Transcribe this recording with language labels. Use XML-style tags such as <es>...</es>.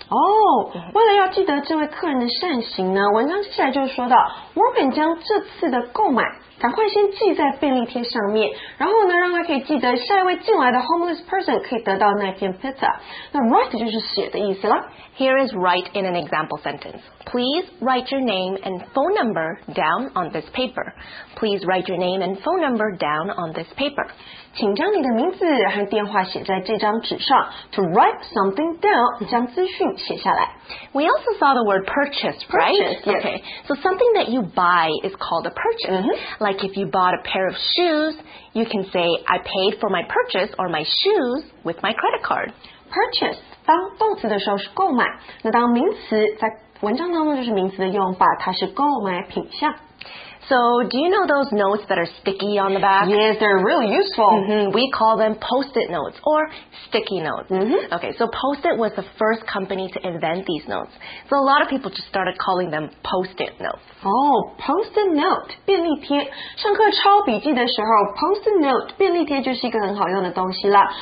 <zh>Oh, 为了要记得这位客人的善行呢，文章接下来就说到 Wortman 将这次的购买赶快先记在便利贴上面，然后呢，让他可以记得下一位进来的</zh> <en>homeless person</en> <zh>可以得到那片 pizza. 那 write 就是写的意思了。</zh> <en>Here is write in an example sentence. Please write your name and phone number down on this paper. Please write your name and phone number down on this paper.</en> <zh>请将你的名字和电话写在这张纸上。</zh> <en>To write something down,</en> <zh>将资讯写下来。</zh> <en>We also saw the word purchase, right? Purchase, yes. Okay. So something that you buy is called a purchase. Mm-hmm. Like if you bought a pair of shoes, you can say, I paid for my purchase or my shoes with my credit card. Purchase.</en> <zh>当动词的时候是购买，那当名词在文章当中就是名词的用法，它是购买品项。</zh> <en>So, do you know those notes that are sticky on the back? Yes, they're really useful. Mm-hmm. We call them post-it notes or sticky notes. Mm-hmm. Okay, so Post-it was the first company to invent these notes. So a lot of people just started calling them post-it notes.</en> <zh>Oh, post-it note, 便利贴。上课抄笔记的时候 post-it note, 便利贴就是一个很好用的东西啦。</zh>